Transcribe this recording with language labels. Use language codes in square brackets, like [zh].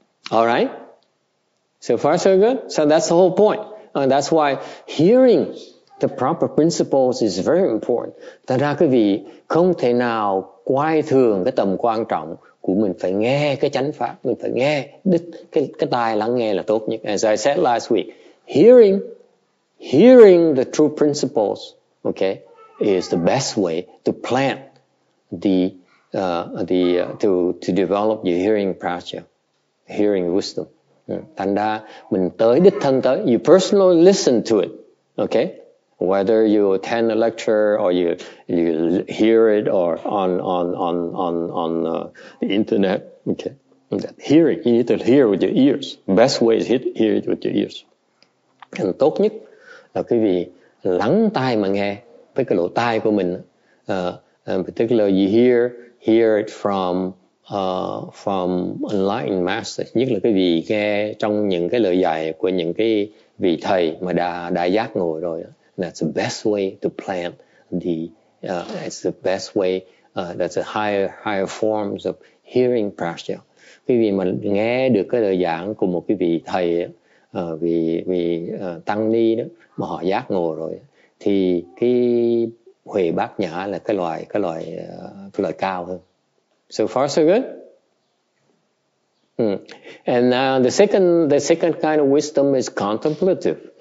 [en] Alright, so far so good. So that's the whole point. And that's why hearing the proper principles is very important. [vi] Thật ra quý vị không thể nào quay thường cái tầm quan trọng của mình phải nghe cái chánh pháp, mình phải nghe đích cái tai lắng nghe là tốt nhất. [en] As I said last week, hearing the true principles, okay, is the best way to plant to develop your hearing prasya, hearing wisdom. [vi] Thành ra mình tới đích thân tới, [en] you personally listen to it, okay? Whether you attend a lecture or you hear it or on the internet, okay? Hearing, you need to hear with your ears. Best way is hear it with your ears. [vi] And tốt nhất là quý vị lắng tai mà nghe với cái lỗ tai của mình. [en] In particular, you hear it from enlightened masters, [vi] nhất là cái vị nghe trong những cái lời dạy của những cái vị thầy mà đã giác ngộ rồi. [en] That's the best way to plant the it's the best way that's a higher forms of hearing prasya. [vi] Quý vị mà nghe được cái lời giảng của một cái vị thầy vị tăng ni đó mà họ giác ngộ rồi thì cái huệ bát nhã là cái loại cao hơn. [en] So far so good. And the second kind of wisdom is contemplative.